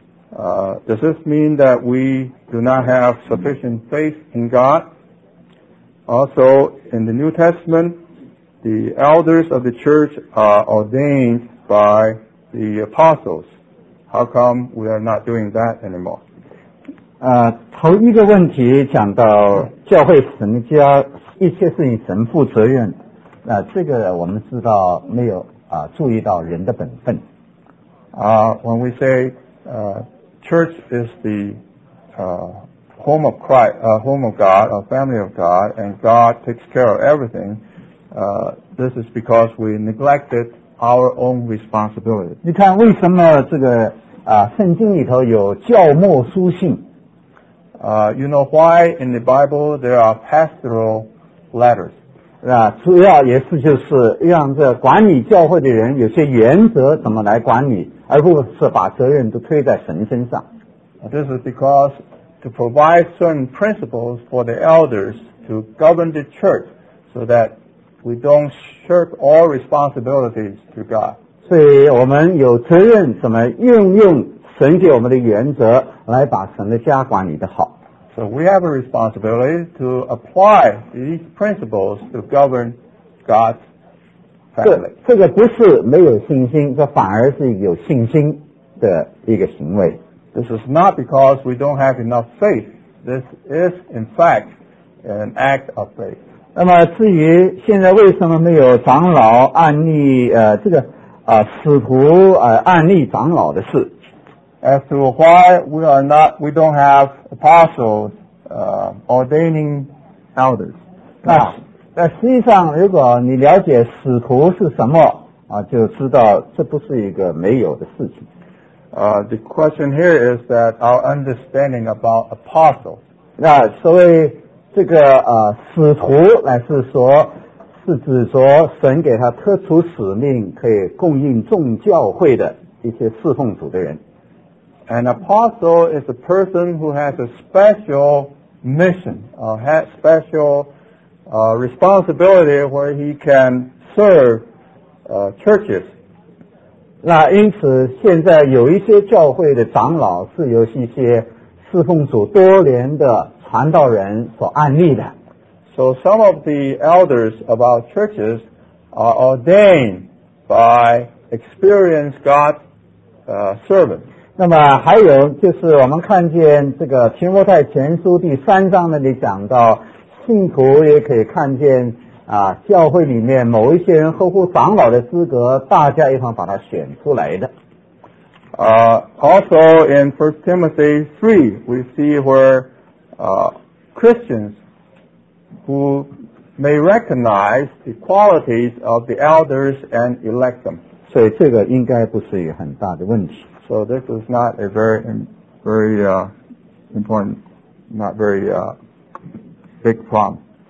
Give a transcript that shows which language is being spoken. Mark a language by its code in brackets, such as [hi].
[en] Does this mean that we do not have sufficient faith in God? Also, in the New Testament, the elders of the church are ordained by the apostles. How come we are not doing that anymore? [zh] 头一个问题讲到教会是神的家，一切事情神负责任，那这个我们知道没有注意到人的本分。 [en] When we say church is the home of Christ, home of God, a family of God, and God takes care of everything, this is because we neglected our own responsibility. [zh] 你看为什么这个圣经里头有教牧书信？ [en] You know why in the Bible there are pastoral letters? [zh] 主要也是就是让这管理教会的人有些原则怎么来管理，而不是把责任都推在神身上。 [en] This is because to provide certain principles for the elders to govern the church so that we don't shirk all responsibilities to God. [zh] 所以我们有责任怎么运用神给我们的原则来把神的家管理得好。 [en] So we have a responsibility to apply these principles to govern God's family. [zh] 这个不是没有信心，这反而是有信心的一个行为。 [en] This is not because we don't have enough faith. This is, in fact, an act of faith. [zh] 那么至于现在为什么没有长老案例使徒案例长老的事。 [en] As to why we don't have apostles ordaining elders. [zh] 那实际上如果你了解使徒是什么就知道这不是一个没有的事情。 [en] The question here is that our understanding about apostles. [zh] 那所谓这个使徒乃是说是指说神给他特殊使命可以供应众教会的一些侍奉主的人。 [en] An apostle is a person who has a special mission, has special responsibility where he can serve churches. [zh] 那因此现在有一些教会的长老是由一些侍奉主多年的传道人所安立的。 [en] So some of the elders of our churches are ordained by experienced God servants. [zh] 那么还有就是我们看见这个提摩太前书第三章那里讲到信徒也可以看见教会里面某一些人合乎长老的资格，大家一同把他选出来的。 [en] Also in 1 Timothy 3, we see where Christians who may recognize the qualities of the elders and elect them. [zh] 所以这个应该不是一个很大的问题。 [en] So this is not a very, very, important, not very, big problem.